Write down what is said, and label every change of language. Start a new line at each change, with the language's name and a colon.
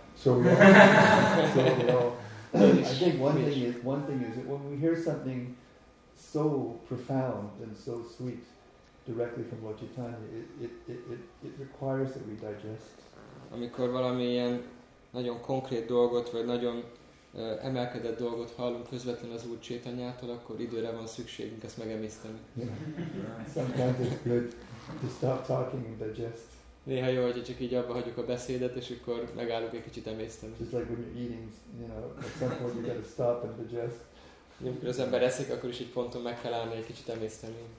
English: So am I. I think one thing is that when we hear something so profound and so sweet directly from Lord Chaitanya, it requires that we digest.
Hungarian: Amikor valami ilyen nagyon konkrét dolgot, vagy nagyon emelkedett dolgot hallunk közvetlenül az Úr Chaitanyától, akkor időre van szükségünk ezt megemészteni.
English: Yeah. Sometimes it's good to stop talking and digest.
Hungarian: Néha jó, hogy csak így abba hagyjuk a beszédet, és akkor megállunk egy kicsit emészteni.
English: Just like when you're eating, you know, at some point you gotta stop and digest.
Hungarian: Amikor az ember eszik, akkor is egy ponton meg kell állni egy kicsit emészteni.